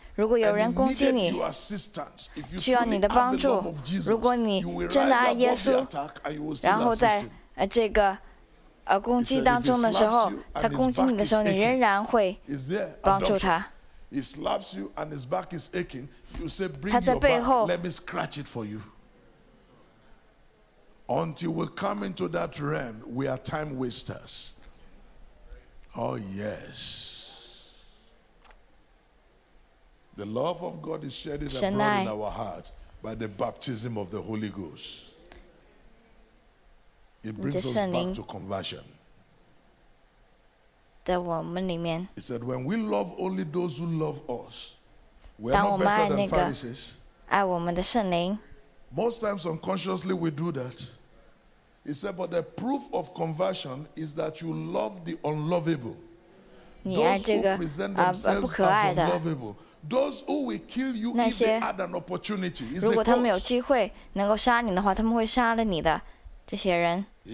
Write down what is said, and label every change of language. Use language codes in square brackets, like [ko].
[zh] 如果有人攻击你，需要你的帮助。如果你真的爱耶稣，然后在这个攻击当中的时候，他攻击你的时候，你仍然会帮助他。 [en] He slaps you and his back is aching. You say, "Bring your back. Let me scratch it for you." Until we come into that realm, we are time wasters. Oh, yes. The love of God is shed abroad in our hearts by the baptism of the Holy Ghost. It brings us back to conversion. He said, "When we love only those who love us, we are not better than Pharisees." [zh] 爱我们的圣灵。 [en] Most times unconsciously we do that. He said, "But the proof of conversion is that you love the unlovable. Those who present themselves as unlovable. Those who will kill you if they had an opportunity." [zh] 如果他们有机会能够杀你的话，他们会杀了你的这些人。